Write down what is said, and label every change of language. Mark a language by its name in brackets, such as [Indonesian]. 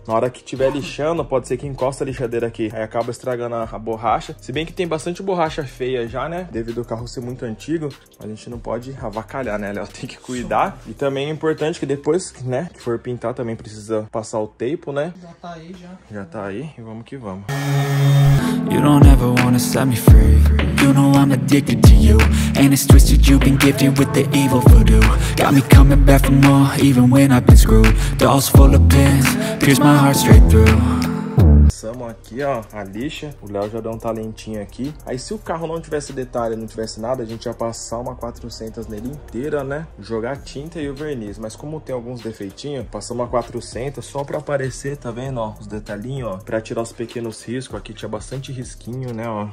[Portuguese] Na hora que estiver lixando, pode ser que encosta a lixadeira aqui. Aí acaba estragando a borracha. Se bem que tem bastante borracha feia já, né? Devido ao carro ser muito antigo, a gente não pode avacalhar, né, Léo? Tem que cuidar. E também é importante que depois, né, que for pintar, também precisa passar o tape, né? Já tá aí, já. Já tá aí. E vamos que vamos. [English] You don't ever wanna set me free. You know I'm addicted to you. And it's twisted, you've been gifted with the evil voodoo. Got me coming back for more, even when I've been screwed. Dolls full of pins, pierce my heart straight through. [Portuguese] Passamos aqui, ó, a lixa. O Léo já deu um talentinho aqui. Aí se o carro não tivesse detalhe, não tivesse nada, a gente ia passar uma 400 nele inteira, né? Jogar a tinta e o verniz. Mas como tem alguns defeitinhos, passamos a 400 só pra aparecer, tá vendo, ó? Os detalhinhos, ó. Pra tirar os pequenos riscos. Aqui tinha bastante risquinho, né, ó.